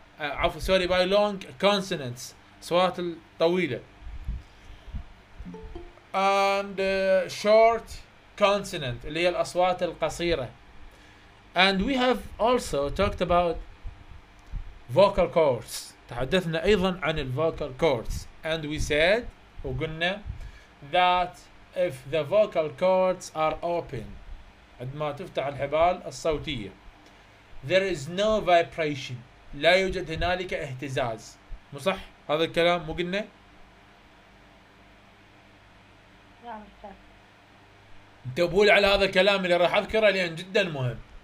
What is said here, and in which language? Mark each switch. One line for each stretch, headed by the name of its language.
English: By long consonants,
Arabic: صوات الطويلة.
English: And short consonant
Arabic: اللي هي الأصوات القصيرة.
English: And we have also talked about vocal cords.
Arabic: تحدثنا أيضا عن الـ vocal cords
English: and we said
Arabic: وقلنا
English: that if the vocal cords are open
Arabic: عندما تفتح الحبال الصوتية
English: there is no vibration،
Arabic: لا يوجد هنالك اهتزاز، مو صح هذا الكلام مو قلنا؟ تبول على هذا الكلام اللي راح أذكره لأن جدا مهم.